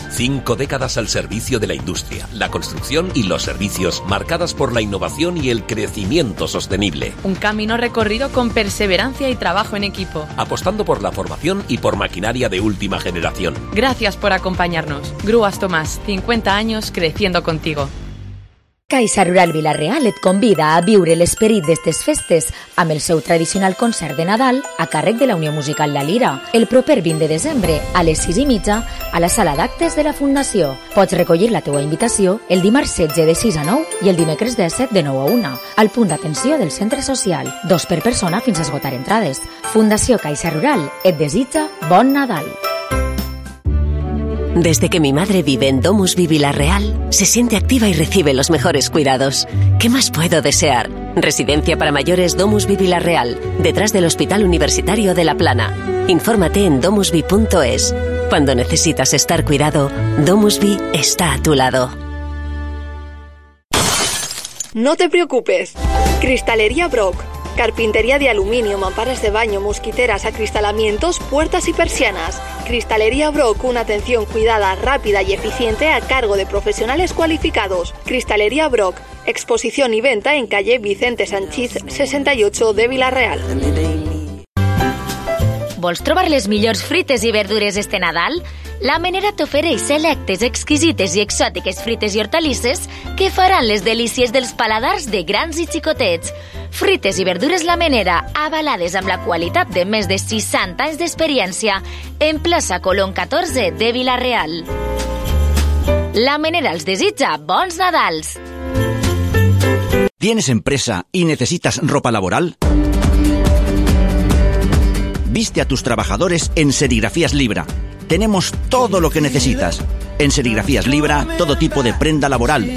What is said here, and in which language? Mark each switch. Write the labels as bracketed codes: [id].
[es] 5 décadas al servicio de la industria, la construcción y los servicios, marcadas por la innovación y el crecimiento sostenible. Un camino recorrido con perseverancia y trabajo en equipo. Apostando por la formación y por maquinaria de última generación. Gracias por acompañarnos. Grúas Tomás, 50 años creciendo contigo. [ca] Caixa Rural Vila-real et convida a viure l'esperit d'estes festes amb el seu tradicional concert de Nadal a càrrec de la Unió Musical La Lira el proper 20 de desembre a les 6:30 a la sala d'actes de la Fundació. Pots recollir la teua invitació el dimarts 16 de 6 a 9 i el dimecres 17 de 9 a 1 al punt d'atenció del centre social. 2 per persona fins a esgotar entrades. Fundació Caixa Rural et desitja bon Nadal. [es] Desde que mi madre vive en Domus Vivila Real, se siente activa y recibe los mejores cuidados. ¿Qué más puedo desear? Residencia para mayores Domus Vivila Real, detrás del Hospital Universitario de La Plana. Infórmate en domusvi.es. Cuando necesitas estar cuidado, Domusvi está a tu lado. No te preocupes. Cristalería Brock. Carpintería de aluminio, mamparas de baño, mosquiteras, acristalamientos, puertas y persianas. Cristalería Brock, una atención cuidada, rápida y eficiente a cargo de profesionales cualificados. Cristalería Brock, exposición y venta en calle Vicente Sanchiz, 68 de Vila-real. [ca] ¿Vols trobar les millors frites i verdures este Nadal? La Menera t'ofereix selectes, exquisites i exòtiques frites i hortalisses que faran les delícies dels paladars de grans i xicotets. Frites i verdures La Menera, avalades amb la qualitat de més de 60 anys d'experiència, en plaça Colón 14 de Vila-real. La Menera els desitja bons Nadals! [es] ¿Tienes empresa y necesitas ropa laboral? Viste a tus trabajadores en Serigrafías Libra. Tenemos todo lo que necesitas. En Serigrafías Libra, todo tipo de prenda laboral.